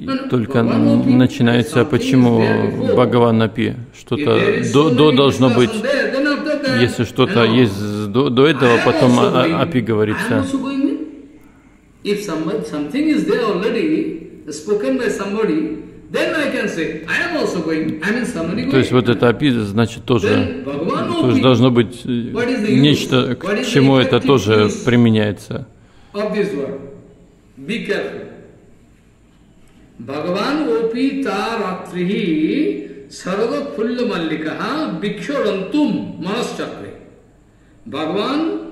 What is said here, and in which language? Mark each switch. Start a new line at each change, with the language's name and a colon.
Russian: Только начинается, почему Бхагаван Апи? Что-то до должно быть. Если что-то есть до этого, потом Апи говорится.
English: If something is there already, spoken by somebody, then I can say, I am also going. I mean, somebody going.
Russian: То есть вот это Апи значит тоже. То есть должно быть нечто, к чему это тоже применяется.
English: Of this word. Be careful.
Sanskrit: Бхагаван опи таратрихи сарадот пулло малликаха бикшо рантум манас чакре. Бхагаван.